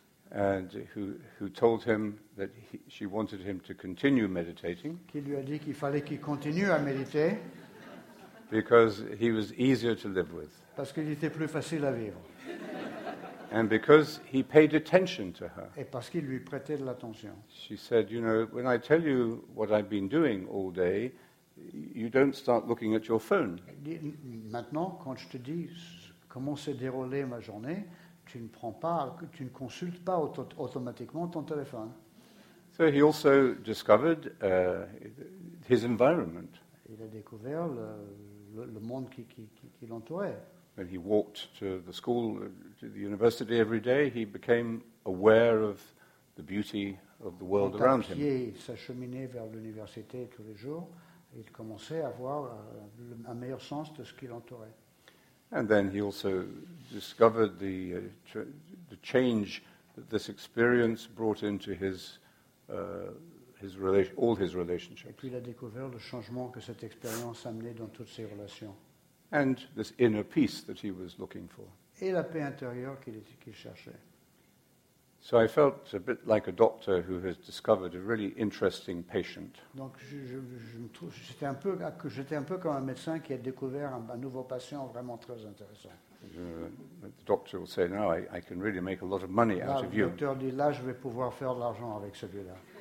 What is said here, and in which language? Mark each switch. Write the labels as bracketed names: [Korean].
[English] And who told him that she wanted him to continue meditating. [French] Qui lui a dit qu'il fallait qu'il continue à méditer. [English] Because he was easier to live with. [French] Parce qu'il était plus facile à vivre. [English] And because he paid attention to her. [French] Et parce qu'il lui prêtait de l'attention. [English] She said, you know, when I tell you what I've been doing all day, you don't start looking at your phone. [French] Maintenant, quand je te dis comment s'est déroulée ma journée, tu ne consultes pas automatiquement ton téléphone. [English] So he also discovered his environment. [French] Il a découvert le monde qui l'entourait. [English] When he walked to the school, to the university every day, he became aware of the beauty of the world around him. [French] Quand il s'acheminait vers l'université tous les jours, il commençait à avoir un meilleur sens de ce qui l'entourait. [English] And then he also discovered the change that this experience brought into all his relationships. [French] Et puis il a découvert le changement que cette expérience amenait dans toutes ses relations. [English] And this inner peace that he was looking for. [French] Et la paix intérieure qu'il cherchait. [English] So I felt a bit like a doctor who has discovered a really interesting patient. [French] Donc j'étais un peu comme un médecin qui a découvert un nouveau patient vraiment très intéressant. [English] The doctor will say, "Now I can really make a lot of money out of you." [French] Le docteur dit, "Là, je vais pouvoir faire de l'argent avec celui-là."